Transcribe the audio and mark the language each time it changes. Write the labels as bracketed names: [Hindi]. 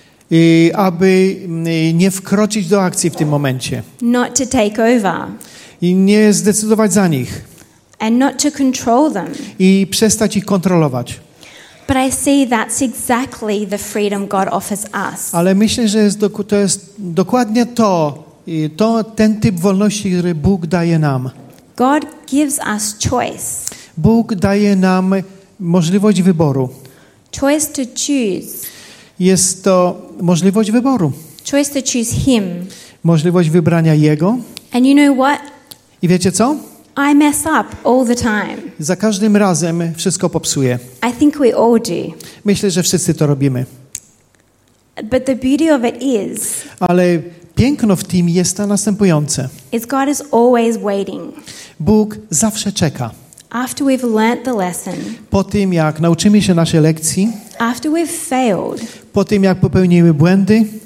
[Polish] I aby nie wkroczyć do akcji w tym momencie. [English] Not to take over. [Polish] I nie zdecydować za nich. [English] And not to control them. [Polish] I przestać ich kontrolować. [English] But I see that's exactly the freedom God offers us. [Polish] Ale myślę, że to jest dokładnie to, ten typ wolności, który Bóg daje nam. [English] God gives us choice. [Polish] Bóg daje nam możliwość wyboru. [English] Choice to choose. [Polish] Jest to możliwość wyboru. [English] Choice to choose him. [Polish] Możliwość wybrania jego. [English] And you know what? [Polish] I wiecie co? [English] I mess up all the time. [Polish] Za każdym razem wszystko popsuję. [English] I think we all do. [Polish] Myślę, że wszyscy to robimy. [English] But the beauty of it is. [Polish] Ale piękno w tym jest to następujące. [English] Is God is always waiting. [Polish] Bóg zawsze czeka. [English] After we've learnt the lesson. [Polish] Po tym jak nauczymy się naszej lekcji. [English] After we've failed. [Polish] Po tym jak popełnimy błędy.